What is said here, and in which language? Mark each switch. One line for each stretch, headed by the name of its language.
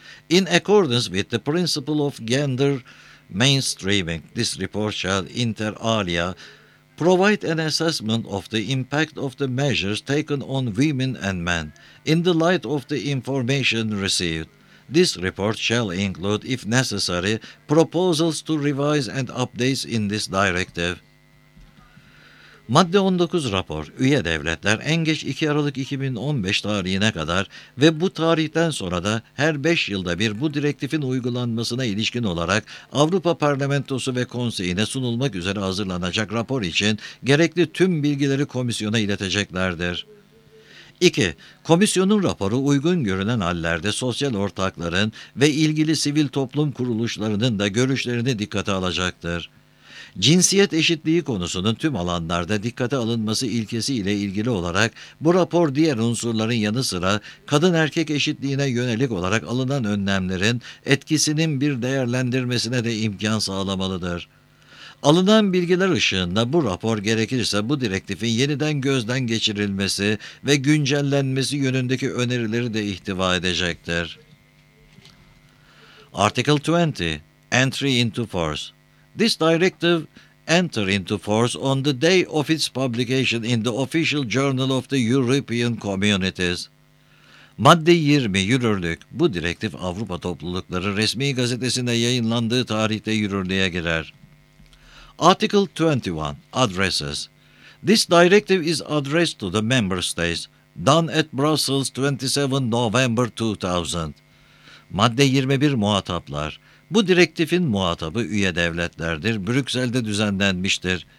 English: In accordance with the principle of gender mainstreaming, this report shall, inter alia, provide an assessment of the impact of the measures taken on women and men, in the light of the information received. This report shall include, if necessary, proposals to revise and updates in this directive.
Turkish: Madde 19 rapor, üye devletler en geç 2 Aralık 2015 tarihine kadar ve bu tarihten sonra da her 5 yılda bir bu direktifin uygulanmasına ilişkin olarak Avrupa Parlamentosu ve Konseyi'ne sunulmak üzere hazırlanacak rapor için gerekli tüm bilgileri komisyona ileteceklerdir. 2. Komisyonun raporu uygun görünen hallerde sosyal ortakların ve ilgili sivil toplum kuruluşlarının da görüşlerini dikkate alacaktır. Cinsiyet eşitliği konusunun tüm alanlarda dikkate alınması ilkesi ile ilgili olarak bu rapor diğer unsurların yanı sıra kadın erkek eşitliğine yönelik olarak alınan önlemlerin etkisinin bir değerlendirmesine de imkan sağlamalıdır. Alınan bilgiler ışığında bu rapor gerekirse bu direktifin yeniden gözden geçirilmesi ve güncellenmesi yönündeki önerileri de ihtiva edecektir.
English: Article 20. Entry into force. This directive enter into force on the day of its publication in the official journal of the European Communities.
Turkish: Madde 20. Yürürlük. Bu direktif Avrupa Toplulukları resmi gazetesinde yayınlandığı tarihte yürürlüğe girer.
English: Article 21. Addresses. This directive is addressed to the member states. done at Brussels 27 November 2000.
Turkish: Madde 21 muhataplar. Bu direktifin muhatabı üye devletlerdir. Brüksel'de düzenlenmiştir.